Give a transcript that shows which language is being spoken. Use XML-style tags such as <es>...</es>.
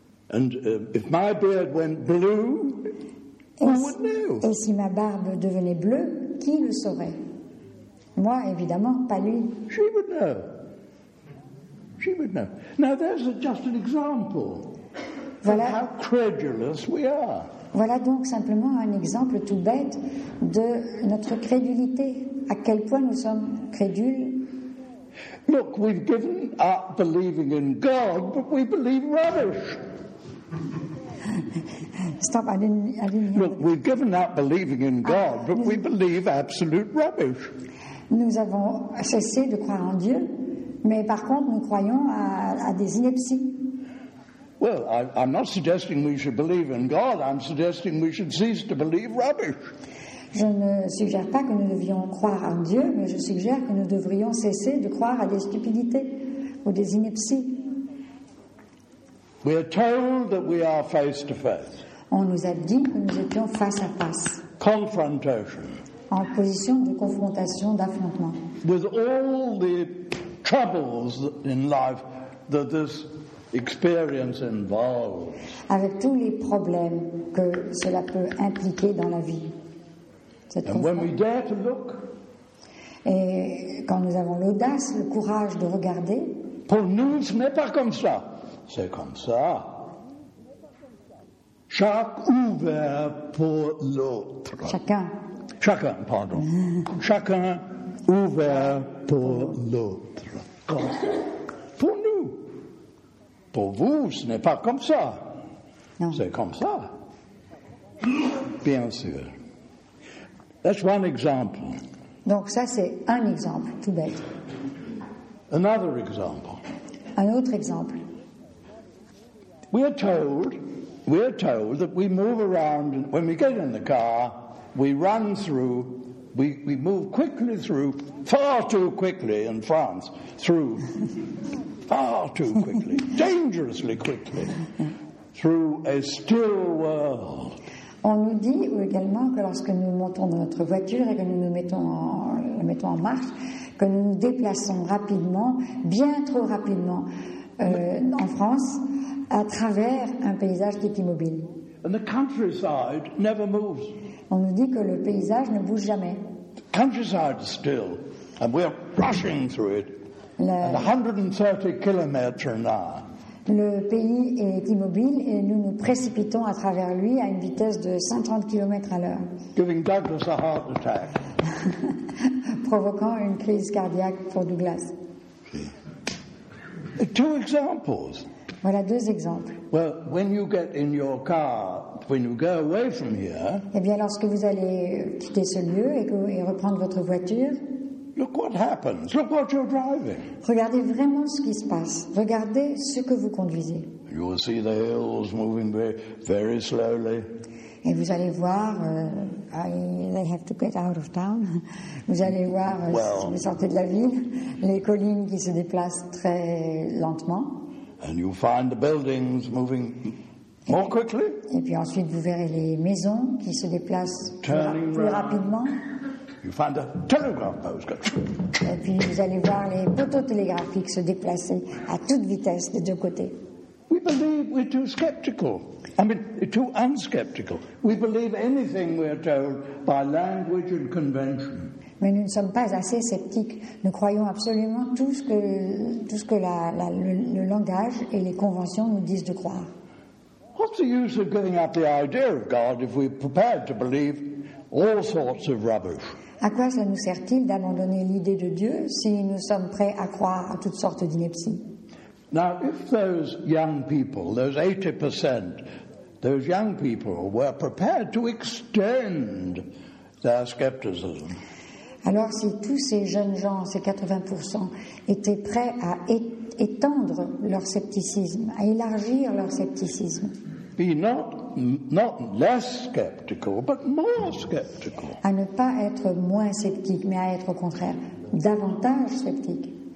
<en>And if my beard went blue,</en> <fr>et si ma barbe devenait bleue, qui le saurait? Moi, évidemment, pas lui.</fr> <en>She would know. She would know. Now, there's just an example</en> <fr>voilà.</fr> <en>Of how credulous we are.</en> <fr>Voilà donc simplement un exemple tout bête de notre crédulité. À quel point nous sommes crédules?</fr> <en>Look, we've given up believing in God, but we believe rubbish. Stop, I didn't hear. Look, we've given up believing in God, but we believe absolute rubbish.</en> <fr>Nous avons cessé de croire en Dieu, mais par contre nous croyons à des inepties.</fr> <en>Well, I'm not suggesting we should believe in God, I'm suggesting we should cease to believe rubbish.</en> <fr>Je ne suggère pas que nous devions croire en Dieu, mais je suggère que nous devrions cesser de croire à des stupidités ou des inepties.</fr> <en>We are told that we are face to face.</en> <fr>On nous a dit que nous étions face à face.</fr> <en>Confrontation.</en> <fr>En position de confrontation, d'affrontement.</fr> <en>With all the troubles in life that this experience involves.</en> <fr>Avec tous les problèmes que cela peut impliquer dans la vie.</fr> <en>And when we dare to look.</en> <fr>Et quand nous avons l'audace, le courage de regarder. Pour nous, ce n'est pas comme ça. C'est comme ça. Chacun ouvert pour l'autre. Chacun. Chacun, pardon. Chacun ouvert pour l'autre. Pour nous. Pour vous, ce n'est pas comme ça. Non. C'est comme ça. Bien sûr.</fr> <en>That's one example.</en> <fr>Donc ça, c'est un exemple, tout bête.</fr> <en>Another example.</en> <fr>Un autre exemple.</fr> <en>We are told that we move around when we get in the car, we run through, we move quickly through, far too quickly in France, through, far too quickly, dangerously quickly, through a still world.</en> <fr>On nous dit également que lorsque nous montons dans notre voiture et que nous nous mettons en marche, que nous nous déplaçons rapidement, bien trop rapidement, en France, à travers un paysage qui est immobile.</fr> <en>And the countryside never moves.</en> <fr>On nous dit que le paysage ne bouge jamais.</fr> <en>The countryside is still, and we're rushing through it at 130 km an hour.</en> <fr>Le pays est immobile et nous nous précipitons à travers lui à une vitesse de 130 km à l'heure.</fr> <en>Giving Douglas a heart attack.</en> <fr>Provoquant une crise cardiaque pour Douglas.</fr> <en>Two examples.</en> <fr>Voilà deux exemples.</fr> <en>Well, when you get in your car, when you go away from here.</en> <fr>Eh bien, lorsque vous allez quitter ce lieu et reprendre votre voiture.</fr> <en>Look what happens. Look what you're driving.</en> <fr>Regardez vraiment ce qui se passe. Regardez ce que vous conduisez.</fr> <en>You will see the hills moving very, very slowly.</en> <fr>Et vous allez voir.</fr> <en>They have to get out of town.</en> <fr>Vous allez voir si vous sortez de la ville, les collines qui se déplacent très lentement.</fr> <en>And you find the buildings moving more quickly.</en> <fr>Et puis ensuite vous verrez les maisons qui se déplacent plus rapidement.</fr> <en>You find the telegraph poles.</en> <fr>Et puis vous allez voir les poteaux télégraphiques se déplacer à toute vitesse des deux côtés.</fr> <en>We believe we're too skeptical. I mean, too unskeptical. We believe anything we're told by language and convention.</en> <fr>Mais nous ne sommes pas assez sceptiques. Nous croyons absolument tout ce que le langage et les conventions nous disent de croire.</fr> <en>What's the use of giving up the idea of God if we're prepared to believe all sorts of rubbish?</en> <fr>À quoi ça nous sert-il d'abandonner l'idée de Dieu si nous sommes prêts à croire à toutes sortes d'inepties?</fr> <en>Now, if those young people, those 80%, those young people were prepared to extend their skepticism.</en> <fr>Alors, si tous ces jeunes gens, ces 80%, étaient prêts à étendre leur scepticisme, à élargir leur scepticisme.</fr> <en>Be not less skeptical, but more skeptical.</en> <fr>À ne pas être moins sceptique, mais à être au contraire davantage sceptique.</fr>